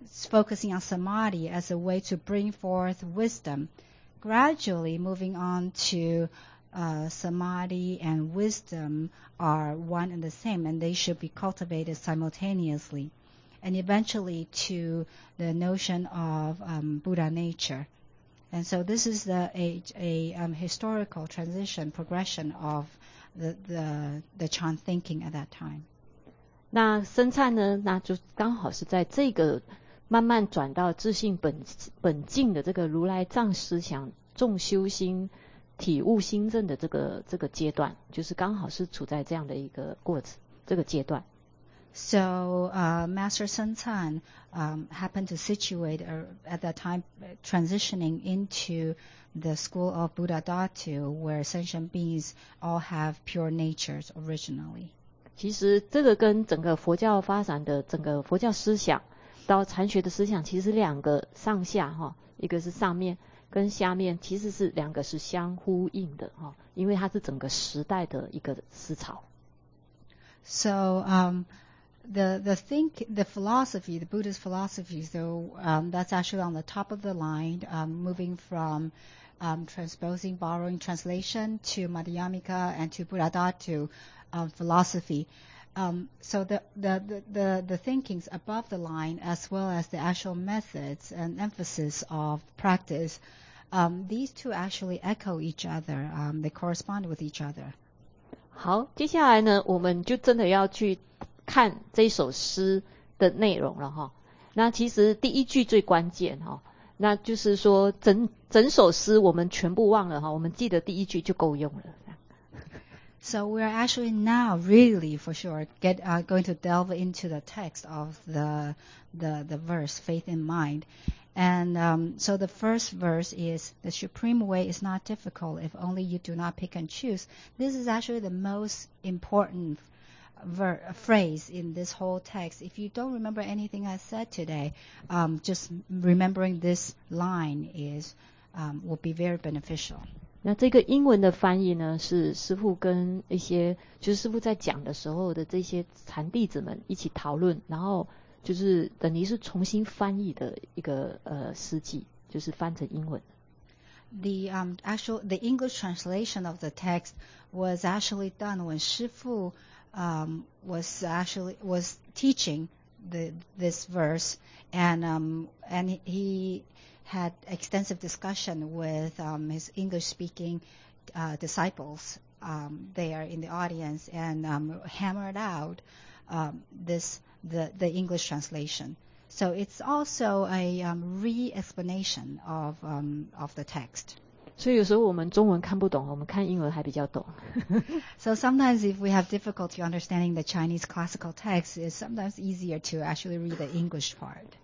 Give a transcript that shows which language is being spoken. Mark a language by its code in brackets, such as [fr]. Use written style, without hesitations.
[en] focusing on samadhi as a way to bring forth wisdom, gradually moving on to samadhi and wisdom are one and the same, and they should be cultivated simultaneously, and eventually to the notion of Buddha nature. And so this is a historical transition, progression of the Chan thinking at that time. [zh] 那生禅呢，那就刚好是在这个慢慢转到自性本净的这个如来藏思想重修心体悟心证的这个阶段，就是刚好是处在这样的一个过程这个阶段。 [en] So, Master Sun Chan happened to situate at that time transitioning into the school of Buddha Datu, where sentient beings all have pure natures originally. [zh] 其实这个跟整个佛教发展的整个佛教思想到禅学的思想，其实两个上下哈，一个是上面。跟下面其实是两个是相呼应的哈，因为它是整个时代的一个思潮。 [en] So, the philosophy, the Buddhist philosophy, though, that's actually on the top of the line, moving from transposing, borrowing translation to Madhyamika and to Buddhadhatu philosophy. So the thinkings above the line, as well as the actual methods and emphasis of practice, these two actually echo each other. They correspond with each other. [zh] 好，接下来呢，我们就真的要去看这首诗的内容了哈。那其实第一句最关键哈，那就是说整首诗我们全部忘了哈，我们记得第一句就够用了。 [en] So we are actually now really for sure going to delve into the text of the verse Faith in Mind. And so the first verse is the supreme way is not difficult if only you do not pick and choose. This is actually the most important phrase in this whole text. If you don't remember anything I said today, just remembering this line is will be very beneficial. [zh] 那这个英文的翻译呢，是师父跟一些就是师父在讲的时候的这些禅弟子们一起讨论，然后就是等于是重新翻译的一个诗句，就是翻成英文。 [en] The the English translation of the text was actually done when 师父was teaching this verse and he had extensive discussion with his English-speaking disciples there in the audience and hammered out the English translation. So it's also a re-explanation of the text. [zh] 所以有时候我们中文看不懂，我们看英文还比较懂。 [en] So sometimes if we have difficulty understanding the Chinese classical text, it's sometimes easier to actually read the English part.